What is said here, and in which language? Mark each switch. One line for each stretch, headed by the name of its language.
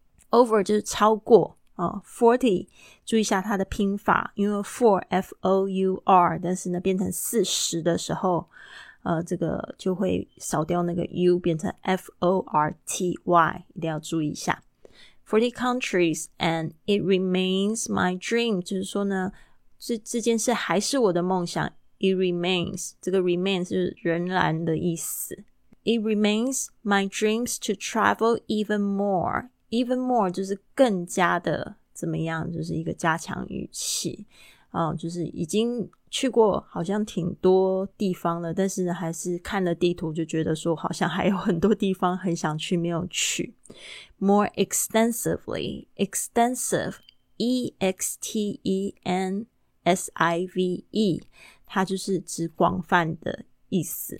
Chinese: Over 就是超过、40, 注意一下它的拼法，因为 4, F-O-U-R, 但是呢变成40的时候、这个就会扫掉那个 U, 变成 F-O-R-T-Y, 一定要注意一下。
English: 40 countries, and it remains my dream,
Chinese: 就是说呢 这件事还是我的梦想。
English: It remains,
Chinese: 这个 remains 就是仍然的意思。
English: It remains my dreams to travel even more. Even more
Chinese: 就是更加的怎么样，就是一个加强语气、就是已经去过好像挺多地方了，但是呢还是看了地图就觉得说好像还有很多地方很想去没有去。
English: More extensively.
Chinese: Extensive, E-X-T-E-N-S-I-V-E, 它就是指广泛的意思。